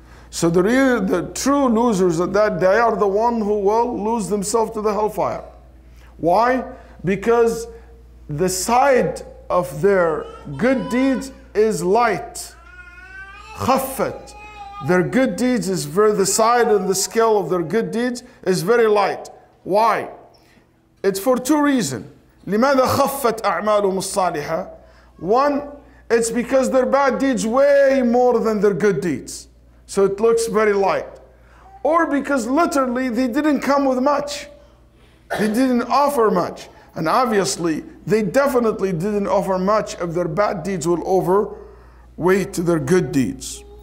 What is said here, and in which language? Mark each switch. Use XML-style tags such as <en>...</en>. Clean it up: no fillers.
<en>So the true losers of that day are the one who will lose themselves to the hellfire. Why? Because the side of their good deeds is light.</en> <ar>خَفَّتْ.</ar> <en>Their good deeds is very, the side and the scale of their good deeds is very light. Why? It's for two reasons.</en> <ar>لماذا خفت أعمالهم الصالحة?</ar> <en>One, it's because their bad deeds way more than their good deeds. So it looks very light. Or because literally they didn't come with much. They didn't offer much. And obviously, they definitely didn't offer much if their bad deeds will overweight to their good deeds.</en>